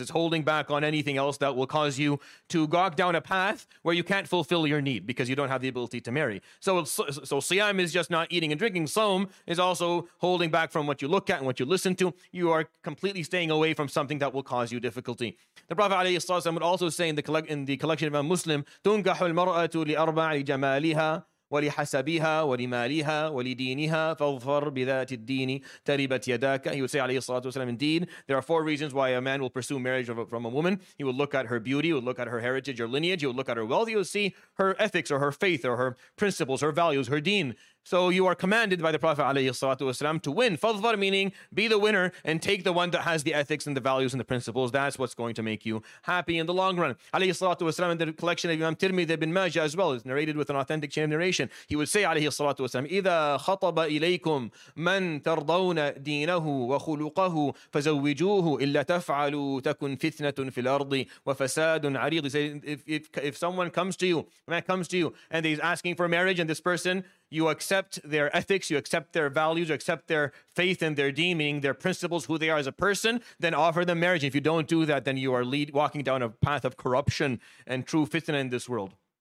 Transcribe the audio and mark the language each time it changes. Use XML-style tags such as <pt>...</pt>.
<en>It's holding back on anything else that will cause you to gawk down a path where you can't fulfill your need because you don't have the ability to marry. So Siyam is just not eating and drinking. Sawm is also holding back from what you look at and what you listen to. You are completely staying away from something that will cause you difficulty. The Prophet عليه الصلاة والسلام would also say in the collection of a Muslim,</en> <ar>تُنْكَحُ الْمَرْأَةُ لِأَرْبَعِ جَمَالِهَا وَلِحَسَبِهَا وَلِمَالِهَا وَلِدِينِهَا فَظْفَرْ بِذَاتِ الدِّينِ تَرِبَتْ يَدَاكَ.</ar> <en>He would say,</en> <ar>عليه الصلاة والسلام,</ar> <en>indeed, there are four reasons why a man will pursue marriage from a woman. He will look at her beauty, he will look at her heritage or lineage, he will look at her wealth, he will see her ethics or her faith or her principles, her values, her deen. So you are commanded by the Prophet</en> <ar>والسلام,</ar> <en>to win. فَظْفَرْ meaning be the winner and take the one that has the ethics and the values and the principles. That's what's going to make you happy in the long run.</en> <ar>والسلام,</ar> <en>in the collection of Imam Tirmidhi ibn Majah as well, is narrated with an authentic chain of narration. He would say,</en> <ar>والسلام, إِذَا خَطَبَ إِلَيْكُمْ مَنْ تَرْضَوْنَ دِينَهُ وَخُلُقَهُ فَزَوِّجُوهُ إِلَّا تَفْعَلُوا تَكُنْ فِتْنَةٌ فِي الْأَرْضِ وَفَسَادٌ عَرِيضٌ.</ar> <en>He said, if someone comes to you, a man comes to you and he's asking for marriage, and this person, you accept their ethics, you accept their values, you accept their faith and their deen, meaning their principles, who they are as a person, then offer them marriage. If you don't do that, then you are walking down a path of corruption and true fitna in this world.</en>